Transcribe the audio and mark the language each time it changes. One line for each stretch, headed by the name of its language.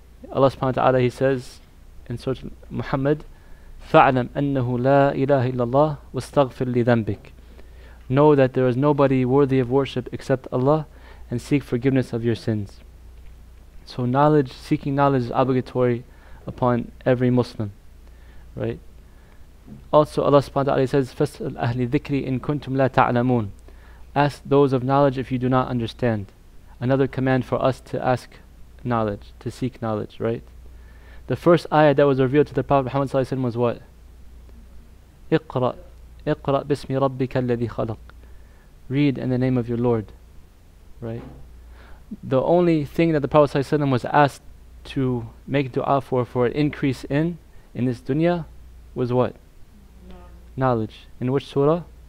English: Allah subhanahu wa ta'ala, he says in Surah Muhammad,
Arabic: فَعْلَمْ أَنَّهُ لَا إِلَهِ إِلَّا اللَّهِ وَاسْتَغْفِرْ لِذَنْبِكَ.
English: Know that there is nobody worthy of worship except Allah, and seek forgiveness of your sins. So knowledge, seeking knowledge is obligatory upon every Muslim, right? Also Allah subhanahu wa ta'ala says,
Arabic: فَاسْأَلْ أَهْلِ ذِكْرِ إِن كُنْتُمْ لَا تَعْلَمُونَ.
English: Ask those of knowledge if you do not understand. Another command for us to ask knowledge, to seek knowledge, right? The first ayah that was revealed to the Prophet Muhammad sallallahu alayhi wa sallam was what?
Arabic: اِقْرَأْ بِسْمِ رَبِّكَ الَّذِي خَلَقْ.
English: Read in the name of your Lord, right? The only thing that the Prophet ﷺ was asked to make dua for an increase in this dunya, was what? Knowledge. In which surah?